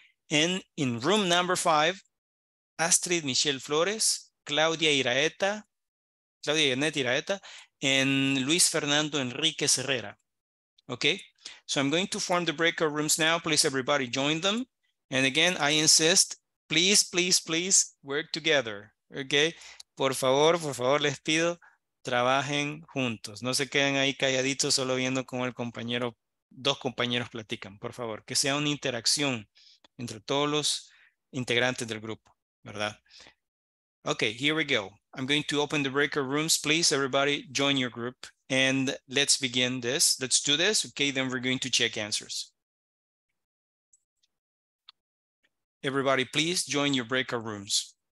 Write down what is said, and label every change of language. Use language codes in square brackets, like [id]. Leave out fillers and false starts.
[en] And in room number five, Astrid Michelle Flores, Claudia Yanet Iraeta, and Luis Fernando Enríquez Herrera. Okay, so I'm going to form the breakout rooms now. Please, everybody, join them. And again, I insist, please, please, please work together, okay? [es] Por favor, les pido, trabajen juntos. No se queden ahí calladitos solo viendo cómo el compañero, dos compañeros platican, por favor. Que sea una interacción entre todos los integrantes del grupo, ¿verdad? [en] Okay, here we go. I'm going to open the breakout rooms. Please, everybody, join your group and let's begin this. Let's do this, okay? Then we're going to check answers. Everybody, please join your breakout rooms.